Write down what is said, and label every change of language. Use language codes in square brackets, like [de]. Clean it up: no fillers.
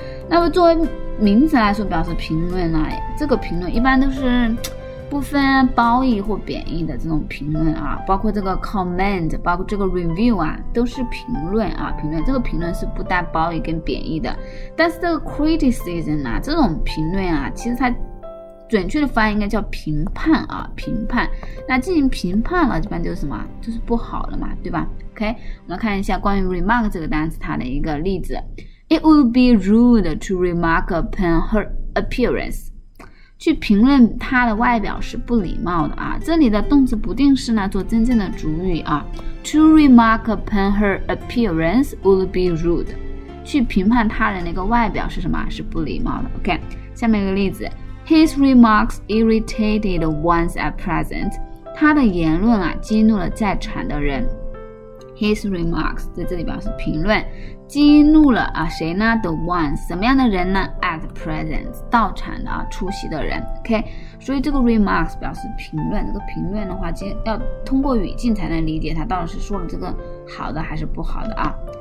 [zh] 那么作为名词来说，表示评论呢，这个评论一般都是不分褒义或贬义的这种评论啊，包括这个 comment， 包括这个 review 啊，都是评论啊，评论。这个评论是不带褒义跟贬义的，但是这个 criticism 啊，这种评论啊，其实它。准确的发音应该叫评判啊，评判。那进行评判了，一般就是什么，就是不好了嘛，对吧 ？OK， 我们看一下关于 remark 这个单词它的一个例子。 [en] It would be rude to remark upon her appearance， [zh] 去评论她的外表是不礼貌的啊。这里的动词不定式呢，做真正的主语啊。 [en] To remark upon her appearance would be rude， [zh] 去评判他人的一个外表是什么，是不礼貌的。 OK， 下面一个例子。 [en] His remarks irritated ones at present. [zh] 他的言论啊，激怒了在场的人。 [en] His remarks [zh] 在这里表示评论，激怒了啊谁呢 ？ [en] The ones [zh] 什么样的人呢 ？ [en] At present [zh] 到场的啊出席的人。 OK， 所以这个 remarks 表示评论，这个评论的话，要通过语境才能理解他到底是说了这个好的还是不好的啊。